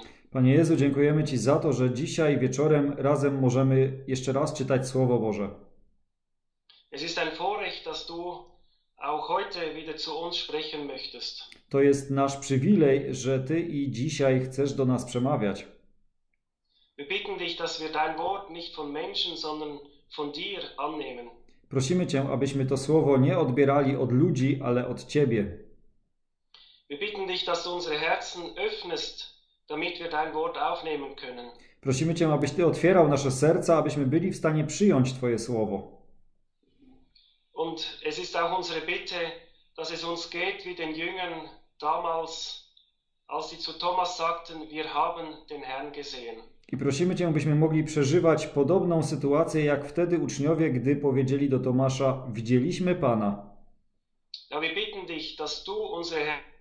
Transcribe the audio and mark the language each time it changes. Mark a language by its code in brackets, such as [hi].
[pl] Panie Jezu, dziękujemy Ci za to, że dzisiaj wieczorem razem możemy jeszcze raz czytać Słowo Boże. [de] Es ist ein Vorrecht, dass du auch heute wieder zu uns sprechen möchtest. [pl] To jest nasz przywilej, że Ty i dzisiaj chcesz do nas przemawiać. [de] Wir bitten dich, dass wir dein Wort nicht von Menschen, sondern von dir annehmen. [pl] Prosimy Cię, abyśmy to słowo nie odbierali od ludzi, ale od Ciebie. [de] Wir bitten dich, dass du unsere Herzen öffnest, damit wir dein Wort aufnehmen können. [pl] Prosimy Cię, abyś Ty otwierał nasze serca, abyśmy byli w stanie przyjąć Twoje słowo. [de] Und es ist auch unsere Bitte, dass es uns geht wie den Jüngern damals, als sie zu Thomas sagten, wir haben den Herrn gesehen. [pl] I prosimy Cię, byśmy mogli przeżywać podobną sytuację, jak wtedy uczniowie, gdy powiedzieli do Tomasza, widzieliśmy Pana. [de] Ja, wir bitten dich, dass du unsere